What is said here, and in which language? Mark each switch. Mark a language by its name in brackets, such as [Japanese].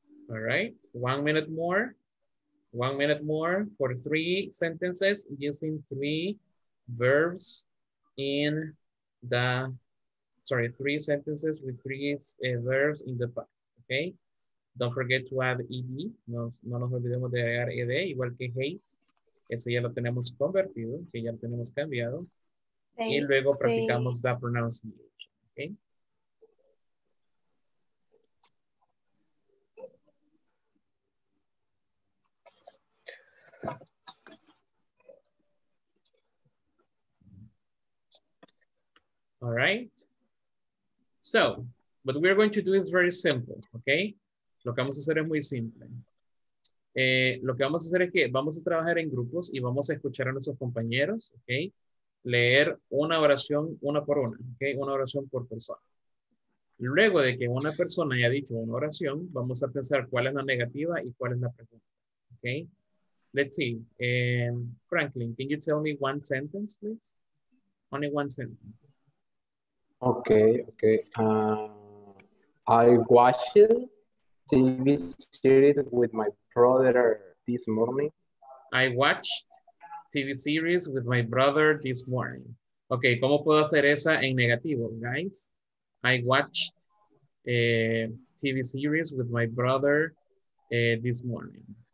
[English] All right, 1 minute more. 1 minute more for three sentences using three verbs in the, sorry, three sentences with three verbs in the past, okay? Don't forget to add ed. [Spanish] No nos olvidemos de agregar ed, igual que hate. Eso ya lo tenemos convertido, que ya lo tenemos cambiado. Y luego practicamos [English] the pronunciation, [Spanish] okay? [English] All right, so what we're going to do is very simple, okay? [Spanish] Lo que vamos a hacer es muy simple. Lo que vamos a hacer es que vamos a trabajar en grupos y vamos a escuchar a nuestros compañeros, okay? Leer una oración una por una, okay? Una oración por persona. Luego de que una persona haya dicho una oración, vamos a pensar cuál es la negativa y cuál es la pregunta, okay? [English] Let's see, Franklin, can you tell me one sentence, please? Only one sentence. Okay. I watched TV series with my brother this morning. I watched TV series with my brother this morning. [Spanish] Okay, ¿cómo puedo hacer esa en negativo, guys? [English] I watched a TV series with my brother this morning.